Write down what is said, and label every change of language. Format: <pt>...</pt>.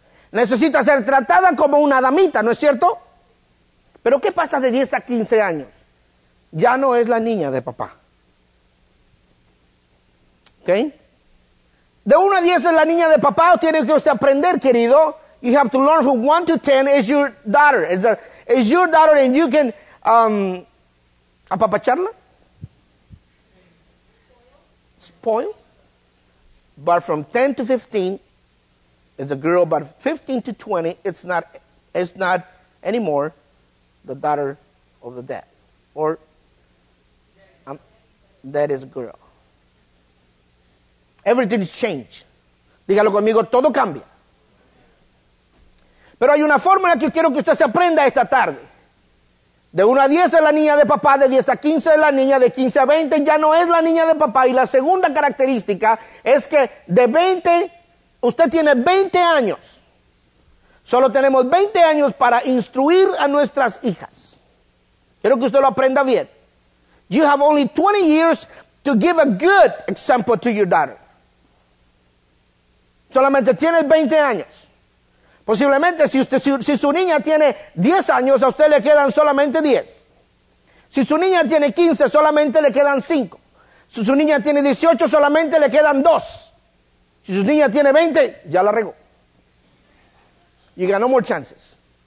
<es>Necesita ser tratada como una damita, ¿no es cierto? ¿Pero qué pasa de 10 a 15 años? Ya no es la niña de papá. ¿Ok? De 1 a 10 es la niña de papá, o tiene que usted aprender, querido.</es> <en>You have to learn from 1 to 10 is your daughter. Is your daughter and you can apapacharla? Spoil? But from 10 to 15 is a girl, but 15 to 20 it's not anymore the daughter of the dad. Or that is a girl. Everything is changed.</en> <es>Dígalo conmigo, todo cambia. Pero hay una fórmula que quiero que usted se aprenda esta tarde. De 1 a 10 es la niña de papá, de 10 a 15 es la niña, de 15 a 20 ya no es la niña de papá. Y la segunda característica es que de 20, usted tiene 20 años. Solo tenemos 20 años para instruir a nuestras hijas. Quiero que usted lo aprenda bien.</es> <en>You have only 20 years to give a good example to your daughter.</en> <es>Solamente tienes 20 años. Posiblemente si su niña tiene 10 años, a usted le quedan solamente 10. Si su niña tiene 15, solamente le quedan 5. Si su niña tiene 18, solamente le quedan 2. Si su niña tiene 20, ya la regó.</es> <en>You got no more chances.</en>